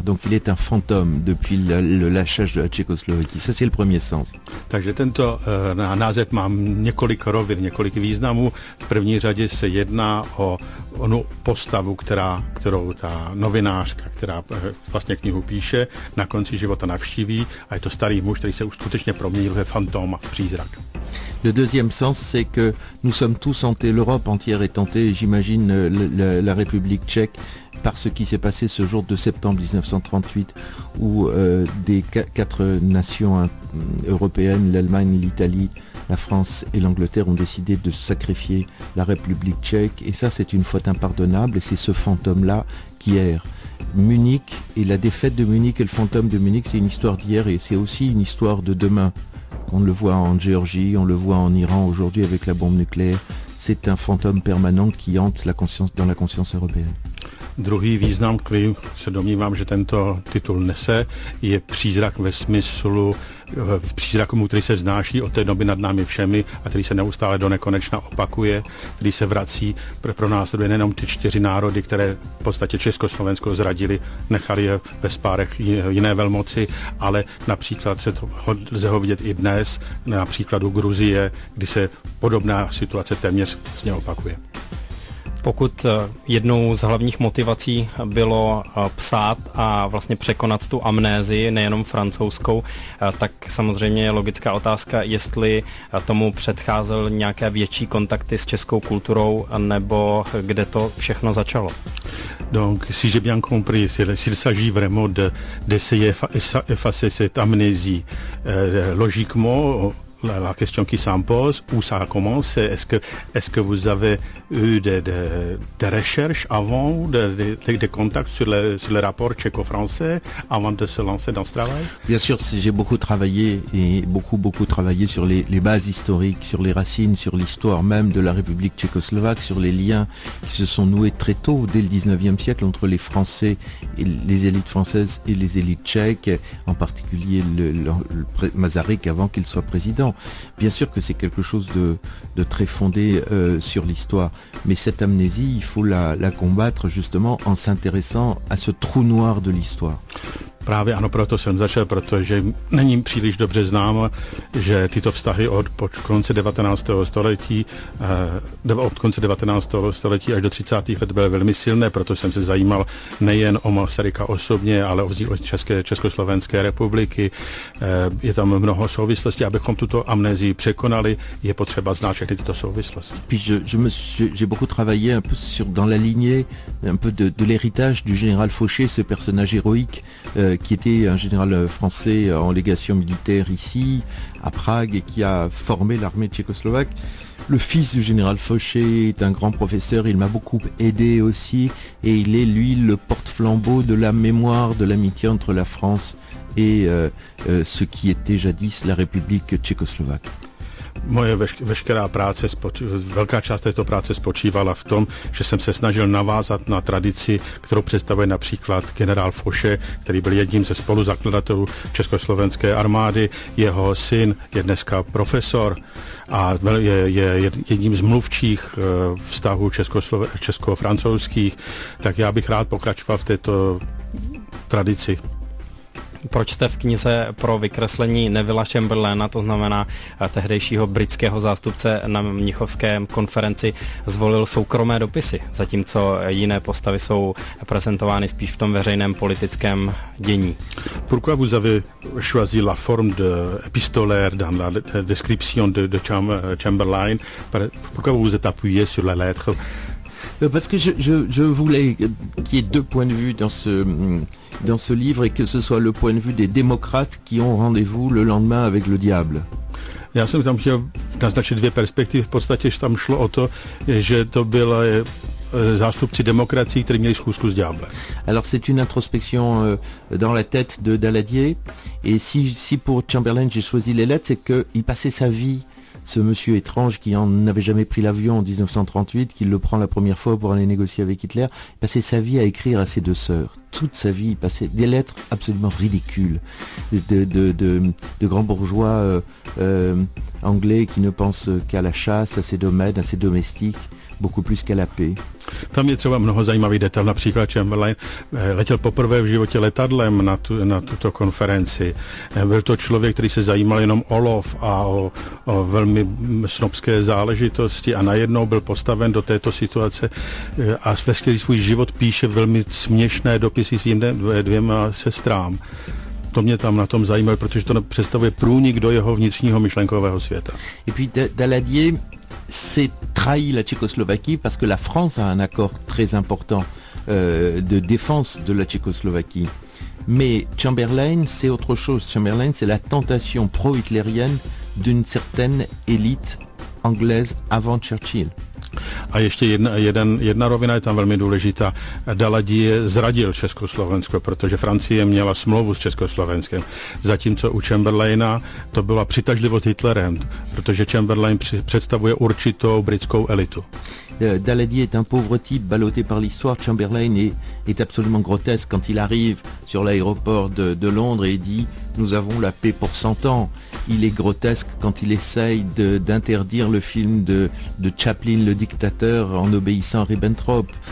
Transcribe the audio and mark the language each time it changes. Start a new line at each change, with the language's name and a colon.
French: Donc il est un fantôme depuis le lâchage de la Tchécoslovaquie. Ça, c'est le premier sens.
Czech: Takže tento název má několik rovin, několik významů. V první řadě se jedná o onu postavu, kterou ta novinářka, která vlastně knihu píše, na konci života navštíví, a je to starý muž, který se už skutečně proměnil ve fantôme a v přízrak.
French: Le deuxième sens, c'est que nous sommes tous hantés, l'Europe entière est hantée, j'imagine la République tchèque, par ce qui s'est passé ce jour de septembre 1938, où des quatre nations européennes, l'Allemagne, l'Italie, la France et l'Angleterre, ont décidé de sacrifier la République tchèque. Et ça, c'est une faute impardonnable, et c'est ce fantôme-là qui erre. Munich et la défaite de Munich et le fantôme de Munich, c'est une histoire d'hier et c'est aussi une histoire de demain. On le voit en Géorgie, on le voit en Iran aujourd'hui avec la bombe nucléaire. C'est un fantôme permanent qui hante la conscience, dans la conscience européenne.
Czech: Druhý význam, který se domnívám, že tento titul nese, je přízrak ve smyslu přízraku, který se vznáší od té doby nad námi všemi a který se neustále do nekonečna opakuje, který se vrací pro nás, to je nejenom ty čtyři národy, které v podstatě Československo zradili, nechali je ve spárech jiné velmoci, ale například se to lze ho vidět i dnes, například u Gruzie, kdy se podobná situace téměř s ně opakuje. Pokud jednou z hlavních motivací bylo psát a vlastně překonat tu amnézii, nejenom francouzskou, tak samozřejmě je logická otázka, jestli tomu předcházel nějaké větší kontakty s českou kulturou, nebo kde to všechno začalo.
French: Donc, si j'ai bien compris, s'il s'agit vraiment d'essayer d'effacer cette amnésie logiquement, la question qui s'impose, où ça commence, c'est est-ce que vous avez eu des recherches avant, des contacts sur le rapport tchéco-français avant de se lancer dans ce travail? Bien sûr, j'ai beaucoup travaillé et beaucoup travaillé sur les bases historiques, sur les racines, sur l'histoire même de la République tchécoslovaque, sur les liens qui se sont noués très tôt, dès le 19e siècle, entre les Français et les élites françaises et les élites tchèques, en particulier le Masaryk avant qu'il soit président. Bien sûr que c'est quelque chose de très fondé sur l'histoire, mais cette amnésie, il faut la combattre justement en s'intéressant à ce trou noir de l'histoire.
Czech: Právě ano, proto jsem začal, protože není příliš dobře známo, že tyto vztahy od konce 19. století až do 30. let byly velmi silné, proto jsem se zajímal nejen o Masaryka osobně, ale o Československé republiky. Je tam mnoho souvislostí, abychom tuto amnézii překonali, je potřeba znát všechny tyto souvislosti.
French: Puis j'ai beaucoup travaillé un peu sur dans la lignée un peu de l'héritage du général Fauché, ce personnage héroïque qui était un général français en légation militaire ici, à Prague, et qui a formé l'armée tchécoslovaque. Le fils du général Fauché est un grand professeur, il m'a beaucoup aidé aussi, et il est, lui, le porte-flambeau de la mémoire de l'amitié entre la France et ce qui était jadis la République tchécoslovaque.
Czech: Moje veškerá práce, velká část této práce spočívala v tom, že jsem se snažil navázat na tradici, kterou představuje například generál Fauché, který byl jedním ze spoluzakladatelů Československé armády. Jeho syn je dneska profesor a je jedním z mluvčích vztahů česko-francouzských. Tak já bych rád pokračoval v této tradici. Proč jste v knize pro vykreslení Nevilla Chamberlaina, to znamená tehdejšího britského zástupce na Mnichovské konferenci, zvolil soukromé dopisy, zatímco jiné postavy jsou prezentovány spíš v tom veřejném politickém dění?
French: Pourquoi vous avez choisi la forme de épistolaire dans la description de Chamberlain? Pourquoi vous êtes appuyé sur la lettre? Parce que je voulais qu'il y ait deux points de vue dans ce livre et que ce soit le point de vue des démocrates qui ont rendez-vous le lendemain avec le diable.
Czech: Já jsem tam chtěl naznačit dvě perspektivy. V podstatě, že tam šlo o to, že to byla zástupci demokracie, kteří měli schůzku s ďáblem.
French: Alors c'est une introspection dans la tête de Daladier. Et si pour Chamberlain j'ai choisi les lettres, c'est qu'il passait sa vie. Ce monsieur étrange qui n'avait jamais pris l'avion en 1938, qui le prend la première fois pour aller négocier avec Hitler, passait sa vie à écrire à ses deux sœurs. Toute sa vie, il passait des lettres absolument ridicules de grands bourgeois anglais qui ne pensent qu'à la chasse, à ses domaines, à ses domestiques, beaucoup plus qu'à la paix.
Czech: Tam je třeba mnoho zajímavých detailů, například Chamberlain letěl poprvé v životě letadlem na tuto konferenci. Byl to člověk, který se zajímal jenom o lov a o velmi snobské záležitosti a najednou byl postaven do této situace a veškerý svůj život píše velmi směšné dopisy svým dvěma sestrám. To mě tam na tom zajímalo, protože to představuje průnik do jeho vnitřního myšlenkového světa.
French: I puis Daladier s'est trahi la Tchécoslovaquie parce que la France a un accord très important de défense de la Tchécoslovaquie. Mais Chamberlain, c'est autre chose. Chamberlain, c'est la tentation pro-hitlérienne d'une certaine élite anglaise avant Churchill.
Czech: A ještě jedna rovina je tam velmi důležitá. Daladier zradil Československo, protože Francie měla smlouvu s Československem. Zatímco u Chamberlaina to byla přitažlivost Hitlerem, protože Chamberlain představuje určitou britskou elitu.
French: Daladier est un pauvre type ballotté par l'histoire. Chamberlain est absolument grotesque quand il arrive sur l'aéroport de Londres et dit « Nous avons la paix pour 100 ans ». Il est grotesque quand il essaye d'interdire le film de Chaplin, le dictateur, en obéissant à Ribbentrop.